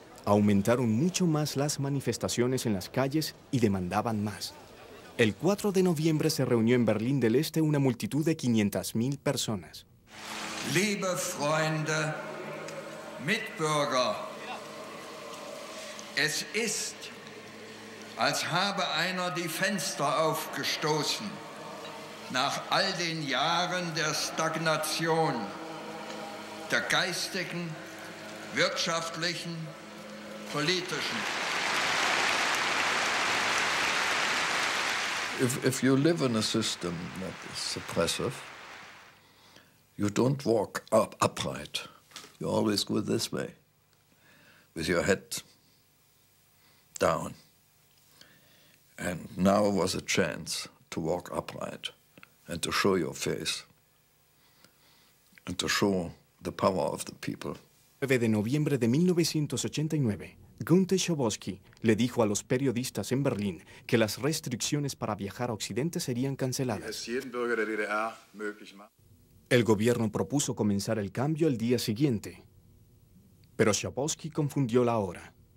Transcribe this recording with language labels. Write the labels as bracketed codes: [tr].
[es] Aumentaron mucho más las manifestaciones en las calles y demandaban más. El 4 de noviembre se reunió en Berlín del Este una multitud de 500.000 personas. [de] Liebe Freunde, Mitbürger, es ist, als habe einer die Fenster aufgestoßen, nach all den Jahren der Stagnation, der geistigen, wirtschaftlichen, politischen. [en] If you live in a system that is suppressive, you don't walk upright. You always go this way, with your head down. And now was a chance to walk upright and to show your face and to show the power of the people. [es] 9 de noviembre de 1989, Günter Schabowski le dijo a los periodistas en Berlín que las restricciones para viajar a Occidente serían canceladas. El gobierno propuso comenzar el cambio el día siguiente, pero Schabowski confundió la hora.